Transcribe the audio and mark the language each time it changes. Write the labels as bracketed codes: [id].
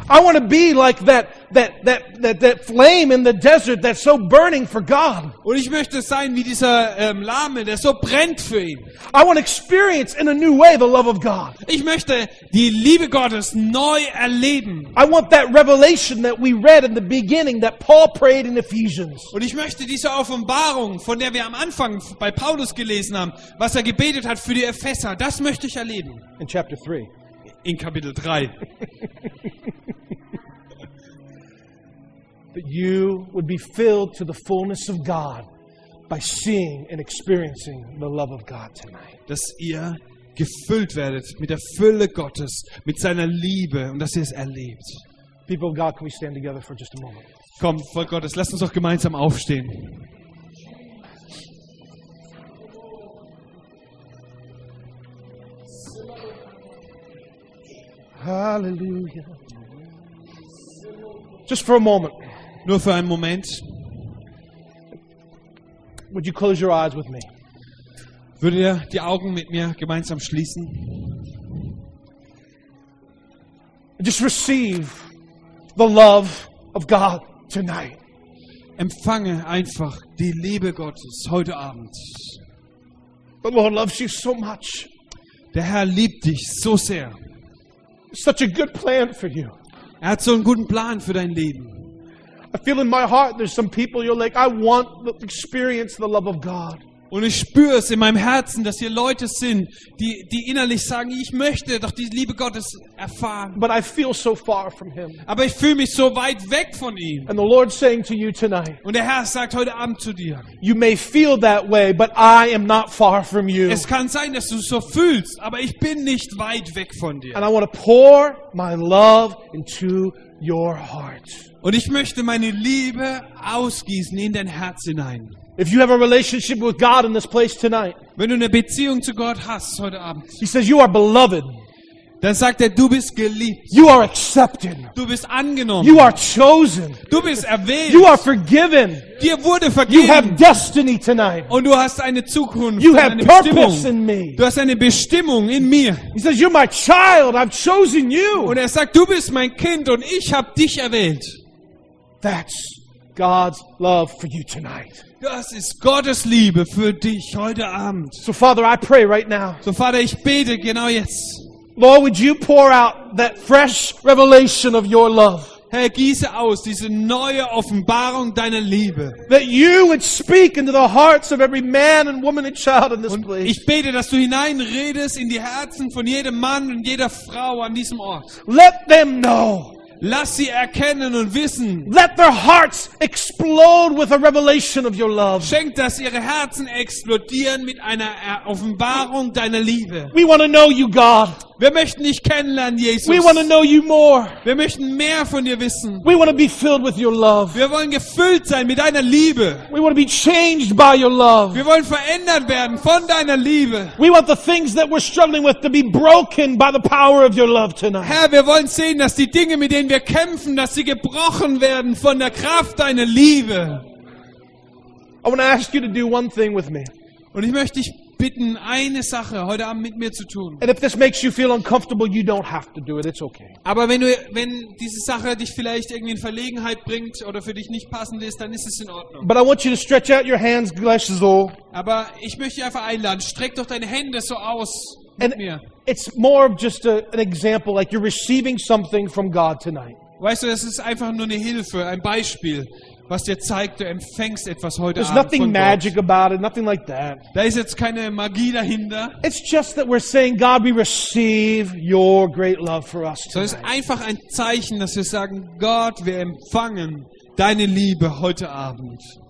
[en] I want to be like that flame in the desert that's so burning for God. [de] Und ich möchte sein wie dieser Lame, der so brennt für ihn. [en] I want to experience in a new way the love of God. [de] Ich möchte die Liebe Gottes neu erleben. [en] I want that revelation that we read in the beginning that Paul prayed in Ephesians. [de] Und ich möchte diese Offenbarung, von der wir am Anfang bei Paulus gelesen haben, was er gebetet hat für die Epheser, das möchte ich erleben. [en] In chapter 3. [de] In Kapitel 3. [en] That you would be filled to the fullness of God by seeing and experiencing the love of God tonight. [de] Dass ihr gefüllt werdet mit der Fülle Gottes, mit seiner Liebe, und dass ihr es erlebt. [en] People of God, can we stand together for just a moment? [de] Komm, Volk Gottes, lasst uns doch gemeinsam aufstehen. [en] Hallelujah. Just for a moment. [de] Nur für einen Moment. [en] Would you close your eyes with me? [de] Würdet ihr die Augen mit mir gemeinsam schließen? [en] Just receive the love of God tonight. [de] empfange einfach die Liebe Gottes heute Abend. [en] The Lord loves you so much. [de] Der Herr liebt dich so sehr. [en] Such a good plan for you. [de] Er hat so einen guten Plan für dein Leben. [en] I feel in my heart there's some people you're like, I want to experience the love of God. [de] Und ich spüre es in meinem Herzen, dass hier Leute sind, die innerlich sagen, ich möchte doch die Liebe Gottes erfahren. [en] But I feel so far from him. [de] Aber ich fühle mich so weit weg von ihm. [en] And the Lord's saying to you tonight, [de] und der Herr sagt heute Abend zu dir, [en] you may feel that way, but I am not far from you. [de] Es kann sein, dass du so fühlst, aber ich bin nicht weit weg von dir. [en] And I want to pour my love into your heart. [de] Und ich möchte meine Liebe ausgießen in dein Herz hinein. [en] If you have a relationship with God in this place tonight, [de] wenn du eine Beziehung zu Gott hast heute Abend, [en] he says you are beloved. [de] Dann sagt er, du bist geliebt. [en] You are accepted. [de] Du bist angenommen. [en] You are chosen. [de] Du bist erwählt. [en] You are forgiven. [de] Dir wurde vergeben. [en] You have destiny tonight. [de] Und du hast eine Zukunft. [en] You [de] eine [en] have purpose [de] Bestimmung. [en] In me. [de] Du hast eine Bestimmung in mir. [en] He says, you're my child. I've chosen you. [de] Und er sagt, du bist mein Kind und ich habe dich erwählt. [en] That's God's love for you tonight. [de] Das ist Gottes Liebe für dich heute Abend. [en] So Father, I pray right now. [de] So Vater, ich bete genau jetzt. [en] Lord, would you pour out that fresh revelation of your love? [de] Herr, gieße aus diese neue Offenbarung deiner Liebe. [en] That you would speak into the hearts of every man and woman and child in this place. [de] Ich bete, dass du hineinredest in die Herzen von jedem Mann und jeder Frau an diesem Ort. [en] Let them know. [de] Lass sie erkennen und wissen. [en] Let their hearts explode with a revelation of your love. [de] Schenk, dass ihre Herzen explodieren mit einer Offenbarung deiner Liebe. [en] We want to know you, God. [de] Wir möchten dich kennenlernen, Jesus. [en] We want to know you more. [de] Wir möchten mehr von dir wissen. [en] We want to be filled with your love. [de] Wir wollen gefüllt sein mit deiner Liebe. [en] We want to be changed by your love. [de] Wir wollen verändert werden von deiner Liebe. [en] We want the things that we're struggling with to be broken by the power of your love tonight. [de] Herr, wir wollen sehen, dass die Dinge, mit denen wir kämpfen, dass sie gebrochen werden von der Kraft deiner Liebe. [en] I want to ask you to do one thing with me. [de] Und ich möchte dich bitten, eine Sache heute Abend mit mir zu tun. [en] And if this makes you feel uncomfortable, you don't have to do it. It's okay. [de] Aber wenn diese Sache dich vielleicht irgendwie in Verlegenheit bringt oder für dich nicht passend ist, dann ist es in Ordnung. [en] But I want you to stretch out your hands [de] gleich so. Aber ich möchte dich einfach einladen, streck doch deine Hände so aus mit [en] And [de] mir. [en] It's more of just an example, like you're receiving something from God tonight. [de] Weißt du, es ist einfach nur eine Hilfe, ein Beispiel, was dir zeigt, du empfängst etwas heute [en] There's [de] Abend von [en] nothing magic [de] Gott. [en] About it, nothing like that. [de] Da ist jetzt keine Magie dahinter. [en] It's just that we're saying, God, we receive your great love for us tonight. [de] So ist einfach ein Zeichen, dass wir sagen, Gott, wir empfangen deine Liebe heute Abend.